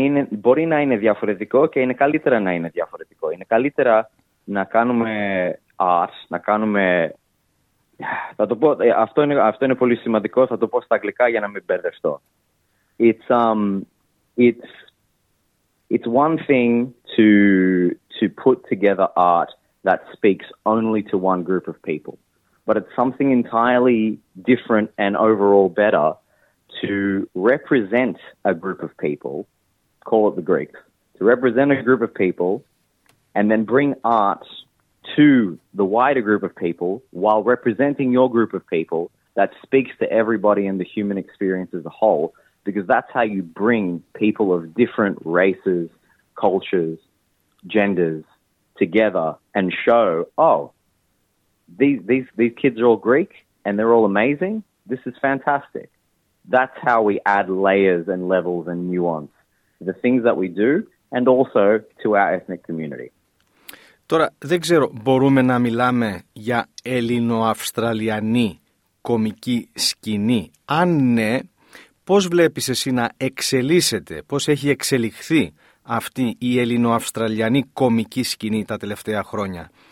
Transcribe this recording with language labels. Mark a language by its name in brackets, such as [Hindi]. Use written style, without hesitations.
[Greek] Μπορεί να είναι διαφορετικό και είναι καλύτερα να είναι διαφορετικό. Είναι καλύτερα να κάνουμε art, να κάνουμε... Θα το πω, αυτό είναι πολύ σημαντικό, θα το πω στα αγγλικά για να μην μπερδευτώ. [English] It's one thing to put together art that speaks only to one group of people, but it's something entirely different and overall better to represent a group of people, call it the Greeks, to represent a group of people and then bring art to the wider group of people while representing your group of people that speaks to everybody in the human experience as a whole. Because that's how you bring people of different races, cultures, genders together and show, oh, these kids are all Greek and they're all amazing. This is fantastic. That's how we add layers and levels and nuance to the things that we do and also to our ethnic community. [Greek] Τώρα, δεν ξέρω, μπορούμε να μιλάμε για Ελληνοαυστραλιανή κομική σκηνή. Αν ναι, πώς βλέπεις εσύ να εξελίσσεται, πώς έχει εξελιχθεί αυτή η Ελληνοαυστραλιανή κομική σκηνή τα τελευταία χρόνια?